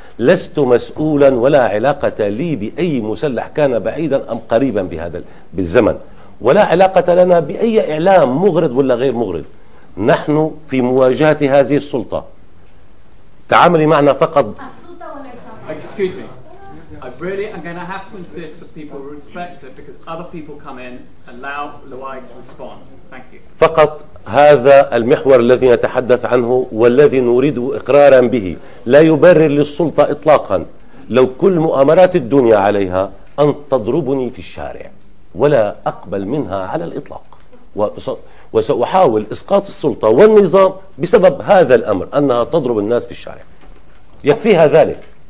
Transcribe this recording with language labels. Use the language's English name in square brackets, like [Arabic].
[Arabic] لست مسؤولا ولا علاقة لي بأي مسلح كان بعيدا أم قريبا بهذا بالزمن، ولا علاقة لنا بأي إعلام مغرض ولا غير مغرض. نحن في مواجهة هذه السلطة، تعاملي معنا فقط. [English] Excuse me. I'm going to have to insist that people respect it because other people come in. Allow Louay to respond. Thank you. [Arabic] فقط هذا المحور الذي نتحدث عنه والذي نريد إقرارا به، لا يبرر للسلطة إطلاقا. لو كل مؤامرات الدنيا عليها أن تضربني في الشارع ولا أقبل منها على الإطلاق، وسأحاول إسقاط السلطة والنظام بسبب هذا الأمر، أنها تضرب الناس في الشارع، يكفيها ذلك.